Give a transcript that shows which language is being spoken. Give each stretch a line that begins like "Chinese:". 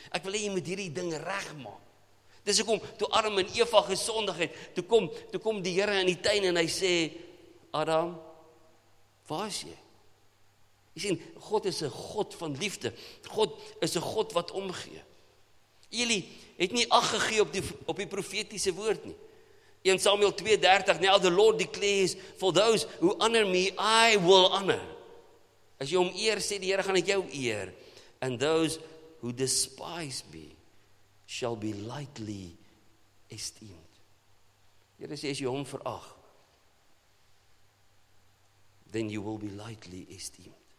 Afrikaans: Ek wil hê jy moet hierdie ding regmaak. Dis ek kom, toe Adam en Eva gesondig het, toe kom die Here in die tuin en hy sê, Adam, waar is jy? Jy sien, God is 'n God van liefde. God is 'n God wat omgee. Eli het nie ag gegee op die profetiese woord nie.
English: 1 Samuel 2:30, now the Lord declares, for those who honor me, I will honor.
Afrikaans: As jy hom eer, sê die Here, gaan ek jou eer.
English: And those who despise me, shall be lightly esteemed.
Afrikaans: Here sê, as jy hom verag,
English: then you will be lightly esteemed.